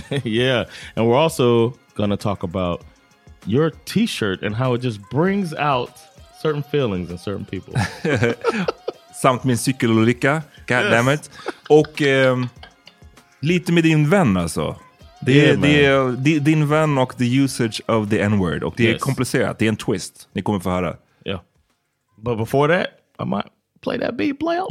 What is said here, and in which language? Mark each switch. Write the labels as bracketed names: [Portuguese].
[English] Yeah, and we're also going to talk about your t-shirt and how it just brings out certain feelings in certain people. [Swedish] Samt min cykelolycka, [English] goddammit. Yes. [Swedish] Och lite med din vän alltså. Det är din vän och [English] the usage of the N-word. [Swedish] Och det är komplicerat, det är en twist. Ni kommer få höra. [English] Yeah. But before that, I might play that beat, play out.